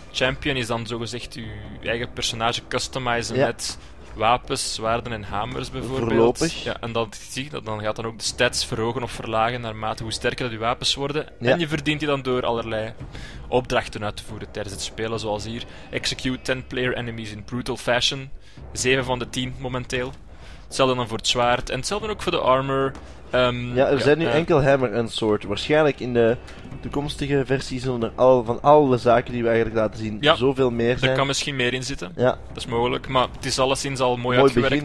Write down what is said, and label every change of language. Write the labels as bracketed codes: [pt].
[nl] Champion is dan zogezegd je eigen personage customizen met wapens, zwaarden en hamers bijvoorbeeld. Voorlopig. Ja, en dan gaat dan ook de stats verhogen of verlagen naarmate hoe sterker dat je wapens worden. Ja. En je verdient die dan door allerlei opdrachten uit te voeren tijdens het spelen, zoals hier. [en] Execute 10 player enemies in brutal fashion. [nl] 7 van de 10 momenteel. Hetzelfde dan voor het zwaard en hetzelfde ook voor de armor. Zijn nu enkel hammer en sword. Waarschijnlijk in de toekomstige versie zullen er van alle zaken die we eigenlijk laten zien zoveel meer zijn. Er kan misschien meer in zitten. Ja. Dat is mogelijk, maar het is alleszins al mooi uitgewerkt